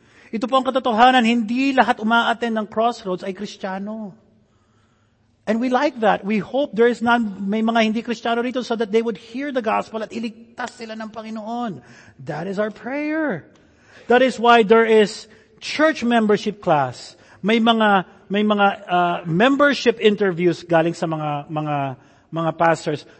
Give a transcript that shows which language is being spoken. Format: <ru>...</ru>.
<tl>Ito po ang katotohanan, hindi lahat umaattend ng Crossroads ay Kristiyano.</tl> <en>And we like that. We hope there is none,</en> <tl>may mga hindi Kristiyano rito</tl> <en>so that they would hear the gospel</en> <tl>at iligtas sila ng Panginoon.</tl> <en>That is our prayer. That is why there is church membership class.</en> <tl>May mga membership interviews galing sa mga pastors.</tl>